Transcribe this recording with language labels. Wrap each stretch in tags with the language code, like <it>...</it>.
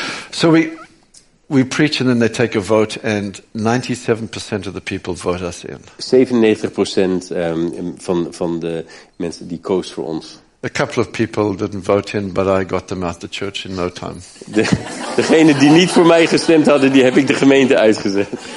<en>So we preach and then they take a vote and 97% of the people vote us in.</en> <nl>97% van de mensen die koos voor ons.</nl> <en>A couple of people didn't vote in, but I got them out the church in no time.</en> <nl>Degene die niet voor mij gestemd hadden, die heb ik de gemeente uitgezet.</nl>